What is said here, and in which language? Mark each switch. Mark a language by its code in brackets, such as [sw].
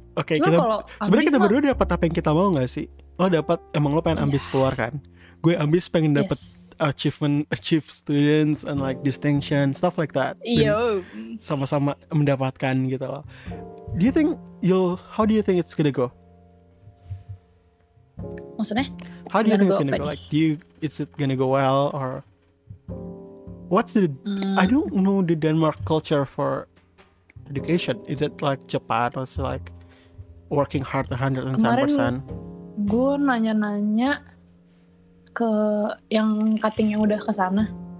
[id] Oke, okay, sebenarnya kita berdua dapet apa yang kita mau nggak sih? Lo dapet, emang lo pengen ambis keluar kan? Gue ambis pengen dapet [en] achievement, achieve students and like distinction, stuff like that. [id] Iya. Sama-sama mendapatkan gitu loh. [en] Do you think you'll, how do you think it's gonna go? [id] Maksudnya? [en] How do you think it's gonna go? Like, do you, is it gonna go well or what's the, I don't know the Denmark culture for education. Is it like cepat or is it like working hard 110%? [id] Kemarin gue nanya-nanya ke yang cutting yang udah kesana.